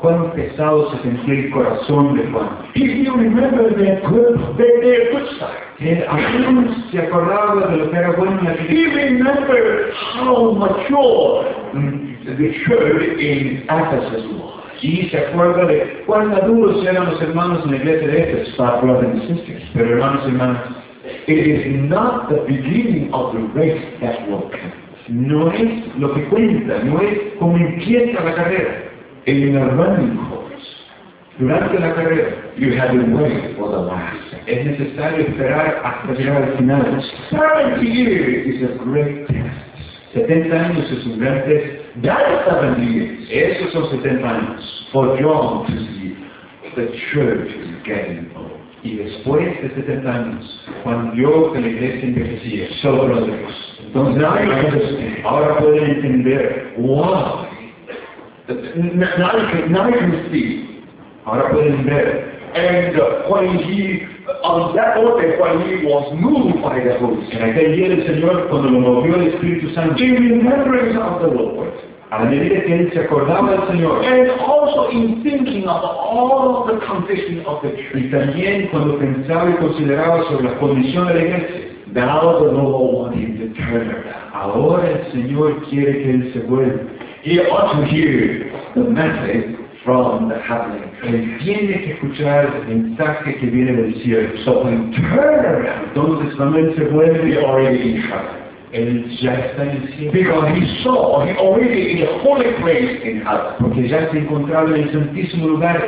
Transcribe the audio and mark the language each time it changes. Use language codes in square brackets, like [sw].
[es] Cuán pesado se sentía el corazón de Juan. [en] If you remember their good side. [es] Aún se acordaba de lo que era bueno en la vida. [en] He remembered how mature the church in Ephesus was. [es] Y se acuerda de cuán maduros eran los hermanos en la iglesia de Éfeso. [en] But brothers and sisters, [es] pero hermanos y hermanas, [en] it is not the beginning of the race that will count. [es] No es lo que cuenta, no es cómo empieza la carrera. [en] In the running course, [es] durante la carrera, [en] you have to wait for the last. [es] Es necesario esperar hasta llegar al final. [en] 70 years is a great test. [es] 70 años es un gran test. [en] That is 70 years. [es] Esos son 70 años. [en] For John to see the church is getting old. [es] Y después de 70 años, Juan vio que la iglesia envejecía. [en] So brothers. [es] Entonces, ahora pueden entender. [en] Why? Now you can see. [es] Ahora pueden ver. [en] And when he, on that order, when he was moved by the Holy Spirit. [es] En aquel día el Señor, cuando lo movió el Espíritu Santo. [en] In remembrance of the Lord. [es] A la medida que él se acordaba del Señor. [en] And also in thinking of all of the condition of the church. [es] Y también cuando pensaba y consideraba sobre la condición de la iglesia. [en] Now the Lord wants him to turn around. [es] Ahora el Señor quiere que él se vuelva. [en] He ought to hear the message from the heavenly. [es] Él tiene que escuchar el mensaje que viene del cielo. [en] So when turn around, [es] entonces cuando él se vuelve, [en] he already in heaven. [es] Él ya está en el cielo. [en] Because he saw, he already in the holy place in heaven. [es] Porque ya se encontraba en el santísimo lugar.